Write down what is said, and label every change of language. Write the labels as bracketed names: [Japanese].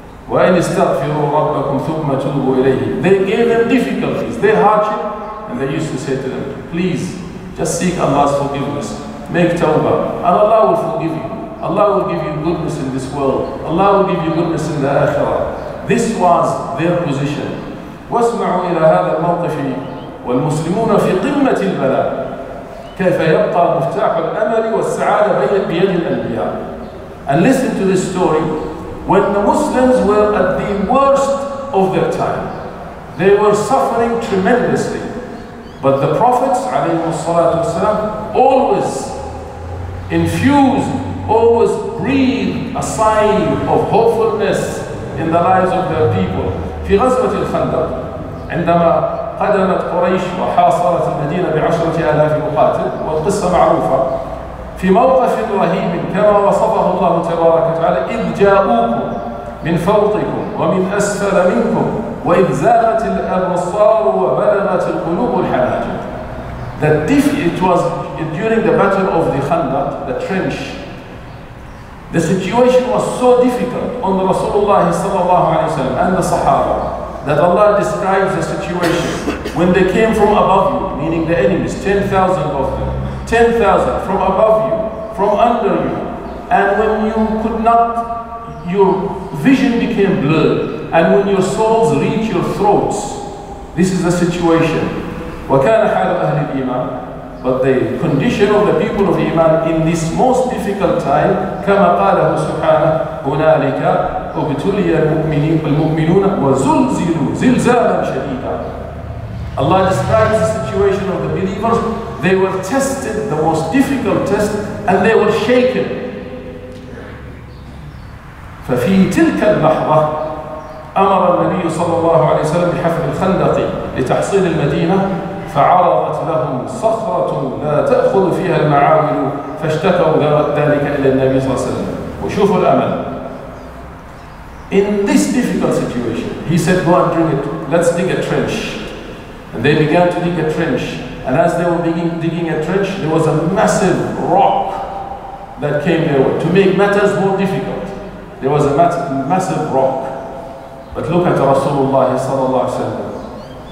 [Arabic] وَإِنْ اسْتَغْفِرُوا رَبَّكُمْ ثُمَّ تُوبُوا إِلَيْهِ. [English] They gave them difficulties, their hardship, and they used to say to them, please, just seek Allah's forgiveness, make tawbah, and Allah will forgive you. Allah will give you goodness in this world. Allah will give you goodness in the akhirah. This was their position. [Arabic] وَاسْمَعُوا إِلَى هَذَا الْمَوْقِفِ والمسلمون في قمة البلاء كيف يبقى مفتاح الأمل والسعادة بيد الأنبياء. [English] And listen to this story. When the Muslims were at the worst of their time, they were suffering tremendously. But the Prophets عليه الصلاة والسلام always infused, always breathed a sign of hopefulness in the lives of their people. [Arabic] في غزوة الخندق عندما قدمت قريش وحاصرت المدينة بعشرة آلاف مقاتل، والقصة معروفة. في موقف رهيب كما وصفه الله تبارك وتعالى: إذ جاءوكم من فوقكم ومن أسفل منكم وإذ زاغت الأبصار وبلغت القلوب الحناجر. [English] It was during the battle of the Khandaq, the trench. The situation was so difficult on Rasulullah صلى الله عليه وسلم and the Sahaba that Allah describes the situation. When they came from above you, meaning the enemies, 10,000 of them, 10,000 from above you, from under you, and when you could not, your vision became blurred, and when your souls reach your throats, this is the situation. [Arabic] وَكَانَ حَالُ أَهْلِ الْإِيمَانِ. [English] But the condition of the people of Iman in this most difficult time, [Arabic] كَمَا قَالَهُ سُبْحَانَهُ هُنَالِكَ أُبْتُلِيَ الْمُؤْمِنُونَ وَزُلْزِلُوا زِلْزَالًا شَدِيدًا. [English] Allah describes the situation of the believers. They were tested, the most difficult test, and they were shaken. [Arabic] فَفِي تِلْكَ اللَّحْظَةِ أَمَرَ النَّبِيُّ صَلَّى اللَّهُ عَلَيْهِ وَسَلَّمَ بِحَفْرِ الْخَنْدَقِ لِتَحْصِيلِ الْمَدِينَةِ فعرضت لهم صخرة لا تأخذ فيها المعامل فاشتكوا ذلك إلى النبي صلى الله عليه وسلم. وشوفوا الأمل. [English] In this difficult situation, he said, go and dig it. Let's dig a trench. And they began to dig a trench. And as they were digging a trench, there was a massive rock that came their way to make matters more difficult. There was a massive rock. But look at Rasulullah sallallahu alayhi wa sallam.